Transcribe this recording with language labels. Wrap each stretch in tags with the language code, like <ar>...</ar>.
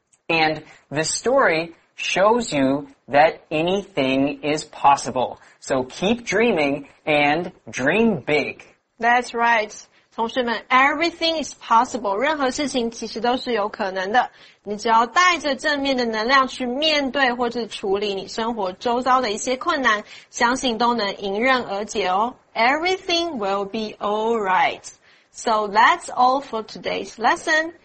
<en>And the story shows you that anything is possible. So keep dreaming and dream big. That's right.</en> <zh>同学们 ,</zh> <en>everything is possible,</en> <zh>任何事情其实都是有可能的。你只要带着正面的能量去面对或是处理你生活周遭的一些困难，相信都能迎刃而解哦。</zh> <en>Everything will be alright. So that's all for today's lesson.</en>